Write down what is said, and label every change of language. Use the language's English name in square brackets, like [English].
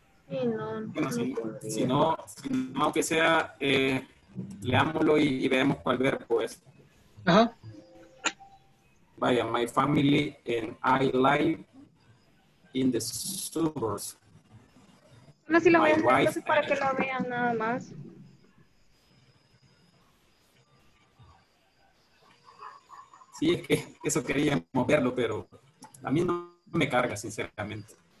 [Spanish] Sí, no. Bueno, si no, aunque sea, leámoslo y veamos cuál verbo es. Ajá. [English] Vaya, my family and I live in the suburbs. [Spanish] No, si lo voy a hacer, entonces para que lo vean nada más. Sí, es que eso queríamos verlo, pero a mí no me carga, sinceramente.